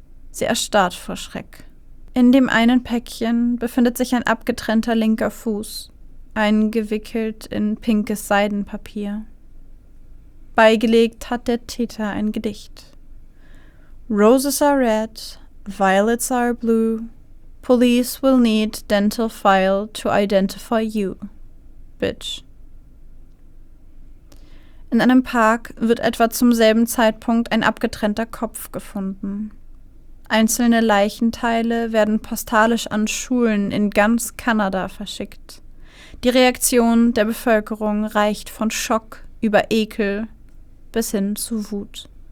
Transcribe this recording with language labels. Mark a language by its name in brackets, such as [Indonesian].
[German] Sie erstarrt vor Schreck. In dem einen Päckchen befindet sich ein abgetrennter linker Fuß, eingewickelt in pinkes Seidenpapier. Beigelegt hat der Täter ein Gedicht. [English] Roses are red, violets are blue, Police will need dental file to identify you, bitch. [German] In einem Park wird etwa zum selben Zeitpunkt ein abgetrennter Kopf gefunden. Einzelne Leichenteile werden postalisch an Schulen in ganz Kanada verschickt. Die Reaktion der Bevölkerung reicht von Schock über Ekel bis hin zu Wut.